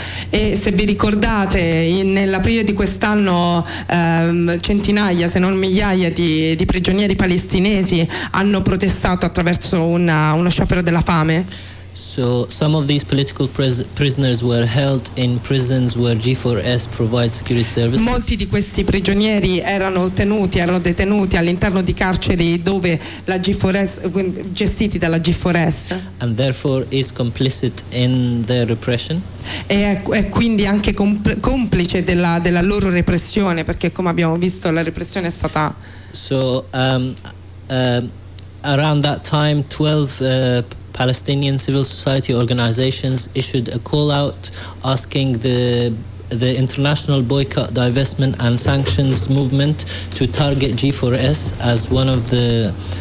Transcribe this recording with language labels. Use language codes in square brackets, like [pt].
[it] E se vi ricordate, nell'aprile di quest'anno centinaia, se non migliaia di prigionieri palestinesi hanno protestato attraverso uno sciopero della fame. [en] So some of these political prisoners were held in prisons where G4S provides security services. [it] Molti di questi prigionieri erano detenuti all'interno di carceri dove la G4S, gestiti dalla G4S. [en] And therefore is complicit in their repression. [it] E è quindi anche complice della loro repressione, perché come abbiamo visto la repressione è stata. [en] So around that time 12 Palestinian civil society organizations issued a call out asking the international boycott, divestment and sanctions movement to target G4S as one of the